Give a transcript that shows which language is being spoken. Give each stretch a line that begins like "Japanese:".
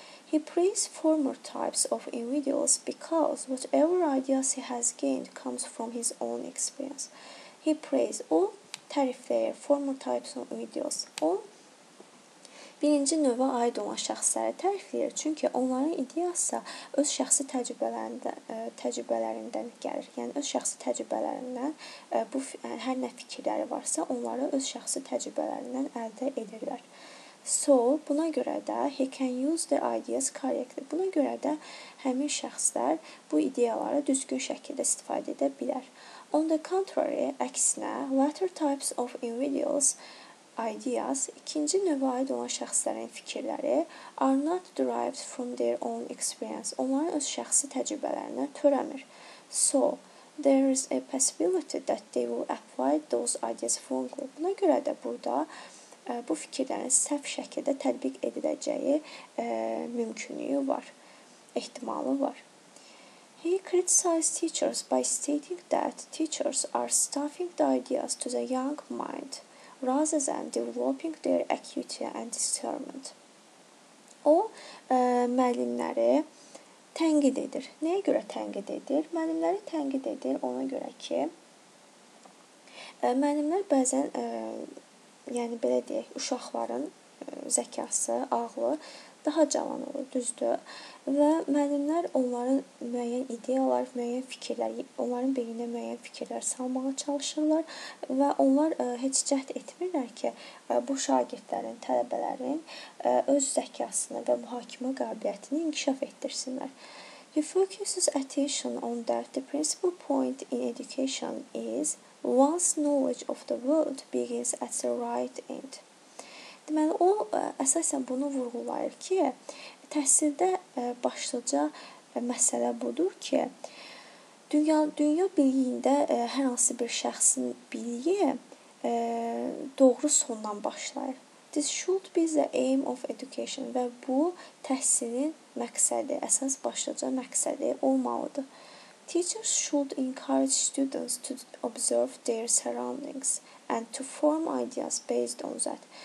English: He praises former types of individuals because whatever ideas he has gained comes from his own experience. He praises
Azerbaijani: o tərifləyir
English: former types of individuals.
Azerbaijani: O birinci növə aid olan şəxsləri tərifləyir, çünki onların ideyası öz şəxsi təcrübələrindən gəlir. Yəni, öz şəxsi təcrübələrindən bu hər nə fikirləri varsa, onları öz şəxsi təcrübələrindən əldə edirlər.
English: So,
Azerbaijani: buna görə də
English: he can use the ideas correctly.
Azerbaijani: Buna görə də həmin şəxslər bu ideyaları düzgün şəkildə istifadə edə bilər.
English: On the contrary,
Azerbaijani: əksinə,
English: latter types of individuals ideas,
Azerbaijani: ikinci növə aid olan şəxslərin fikirləri
English: are not derived from their own experience.
Azerbaijani: Onların öz şəxsi təcrübələrinə törəmir.
English: So, there is a possibility that they will apply those ideas wrongly.
Azerbaijani: Buna görə də burada bu fikirlərin səhv şəkildə tətbiq ediləcəyi mümkünlüyü var, ehtimalı var.
English: He criticized teachers by stating that teachers are stuffing the ideas to the young mind rather than developing their acuity and discernment.
Azerbaijani: O, müəllimləri tənqid edir. Nəyə görə tənqid edir? Müəllimləri tənqid edir ona görə ki, Müəllimlər bəzən yəni belə deyək, uşaqların zəkası, ağlı daha cavan olur, düzdür. Və müəllimlər onların müəyyən ideyalar, müəyyən fikirlər, onların beyninə müəyyən fikirlər salmağa çalışırlar və onlar heç cəhd etmirlər ki, bu şagirdlərin, tələbələrin öz zəkasını və mühakimə qabiliyyətini inkişaf etdirsinlər.
English: The focuses attention on that the principal point in education is one's knowledge of the world begins at the right end.
Azerbaijani: Deməli, o əsasən bunu vurğulayır ki, təhsildə başlıca məsələ budur ki, dünya biliyində hər hansı bir şəxsin biliyi doğru sondan başlayır.
English: This should be the aim of education
Azerbaijani: və bu təhsilin məqsədi, əsas başlıca məqsədi olmalıdır.
English: Teachers should encourage students to observe their surroundings and to form ideas based on that.